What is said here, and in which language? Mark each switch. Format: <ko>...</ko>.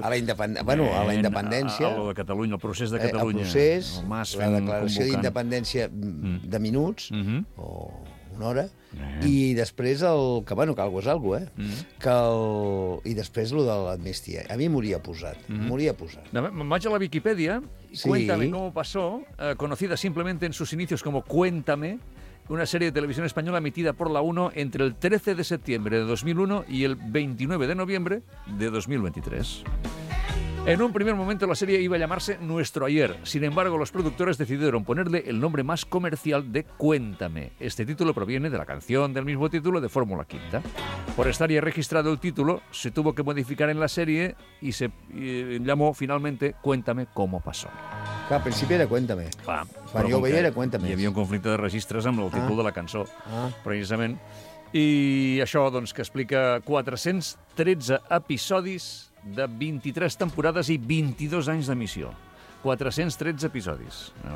<ca>A la independència. A lo de Catalunya, al procés de Catalunya. El procés, Mas la declaració d'independència de minuts, o una hora, i després el... Que, bueno, que alguna cosa és alguna cosa, Que el, i després el de l'amnistia. A mi m'hauria posat, Vaig a la Viquipèdia,</ca> <es>Cuéntame cómo pasó, conocida simplemente en sus inicios como Cuéntame, una serie de televisión española emitida por la 1 entre el 13 de septiembre de 2001 y el 29 de noviembre de 2023. En un primer momento la serie iba a llamarse Nuestro Ayer. Sin embargo, los productores decidieron ponerle el nombre más comercial de Cuéntame. Este título proviene de la canción del mismo título de Fórmula Quinta. Por estar ya registrado el título, se tuvo que modificar en la serie y se llamó finalmente Cuéntame cómo pasó.</es> <ca>Clar, al principi era Cuéntame. Clar, quan jo ho veia era Cuéntame. Hi havia un conflicte de registres amb el títol de la cançó, precisament. I això, doncs, que explica 413 episodis de 23 temporades i 22 anys d'emissió. 413 episodis.</ca>